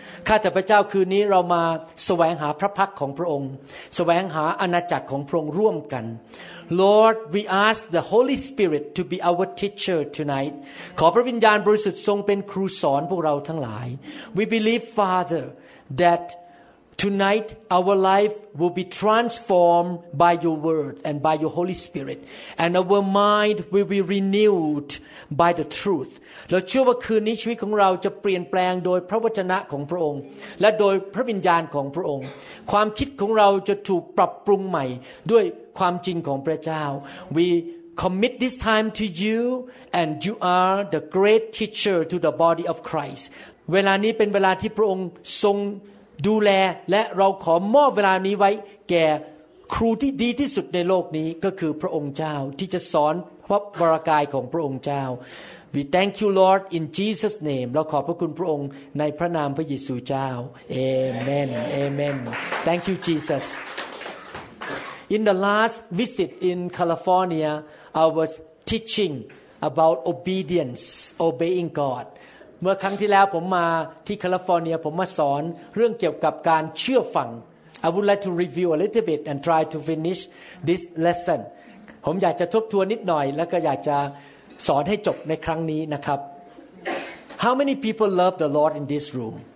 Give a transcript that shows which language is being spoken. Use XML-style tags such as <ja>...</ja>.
<th>ข้าแต่พระเจ้าคืนนี้เรามาแสวงหาพระพักของพระองค์แสวงหาอาณาจักรของพระองค์ร่วมกัน</th> <en>Lord, we ask the Holy Spirit to be our teacher tonight.</en> <th>ขอพระวิญญาณบริสุทธิ์ทรงเป็นครูสอนพวกเราทั้งหลาย</th> <en>We believe, Father, that tonight our life will be transformed by your word and by your Holy Spirit. And our mind will be renewed by the truth.</en> <th>เราเชื่อว่าคืนนี้ชีวิตของเราจะเปลี่ยนแปลงโดยพระวจนะของพระองค์และโดยพระวิญญาณของพระองค์ความคิดของเราจะถูกปรับปรุงใหม่ด้วยความจริงของพระเจ้า</th> <en>We commit this time to you and you are the great teacher to the body of Christ</en> <th>เวลานี้เป็นเวลาที่พระองค์ทรง ดูแลและเราขอมอบเวลานี้ไว้แก่ครูที่ดีที่สุดในโลกนี้ก็คือพระองค์เจ้าที่จะสอนพระวรกายของพระองค์เจ้า</th> <en>We thank you, Lord, in Jesus' name.</en> <th>เราขอบพระคุณพระองค์ในพระนามพระเยซูเจ้า Amen.</th> <en>Amen. Thank you, Jesus. In the last visit in California, I was teaching about obedience, obeying God.</en> <th>เมื่อครั้งที่แล้วผมมาที่แคลิฟอร์เนียผมมาสอนเรื่องเกี่ยวกับการเชื่อฟัง</th> <en>I would like to review a little bit and try to finish this lesson.</en> <th>ผมอยากจะทบทวนนิดหน่อยแล้วก็อยากจะสอนให้จบในครั้งนี้นะครับ</th> <en>How many people love the Lord in this room?</en>